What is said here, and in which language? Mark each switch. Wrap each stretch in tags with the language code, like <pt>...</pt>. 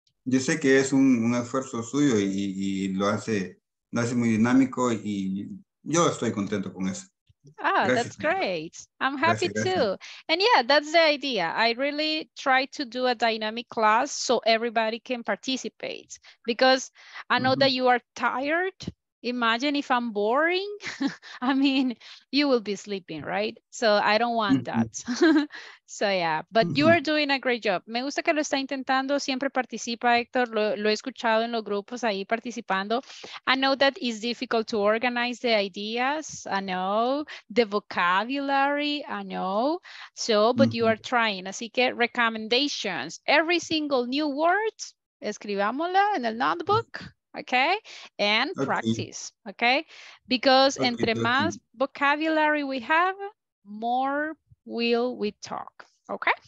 <es>Yo sé que es un esfuerzo suyo y lo hace muy dinámico y yo estoy contento con eso.</es> <en>Ah,</en> <es>gracias.</es> <en>That's great. I'm happy too. And yeah, that's the idea. I really try to do a dynamic class so everybody can participate, because I know that you are tired. Imagine if I'm boring. I mean, you will be sleeping, right? So I don't want that. So yeah, but you are doing a great job.</en> <es>Me gusta que lo está intentando. Siempre participa, Héctor. Lo he escuchado en los grupos ahí participando.</es> <en>I know that it's difficult to organize the ideas. I know the vocabulary. I know. So, but you are trying.</en> <es>Así que</es> <en>recommendations. Every single new word,</en> <es>escribámosla en el</es> <en>notebook. Okay, and practice, okay? Because</en> <es>entre más</es> <en>vocabulary we have, more will we talk, okay?</en>